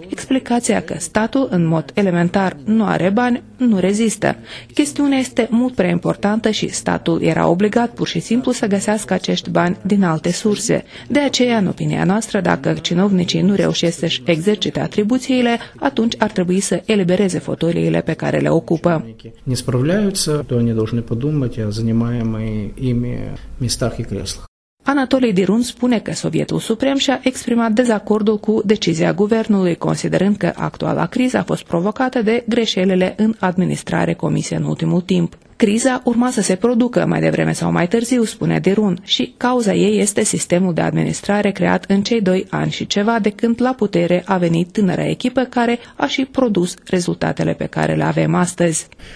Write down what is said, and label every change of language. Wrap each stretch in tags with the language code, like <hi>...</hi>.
<ro>Explicația că statul, în mod elementar, nu are bani, nu rezistă. Chestiunea este mult prea importantă și statul era obligat pur și simplu să găsească acești bani din alte surse. De aceea, în opinia noastră, dacă cinovnicii nu reușesc să-și exercite atribuțiile, atunci ar trebui să elibereze fotoliile pe care le ocupă.</ro> <ru>Не справляются, то они должны подумать о занимаемых ими местах и креслах.</ru> <ro>Anatolie Dirun spune că Sovietul Suprem și-a exprimat dezacordul cu decizia guvernului, considerând că actuala criză a fost provocată de greșelile în administrare comise în ultimul timp. Criza urma să se producă mai devreme sau mai târziu, spune Dirun, și cauza ei este sistemul de administrare creat în cei 2 ani și ceva de când la putere a venit tânăra echipă care a și produs rezultatele pe care le avem astăzi.</ro>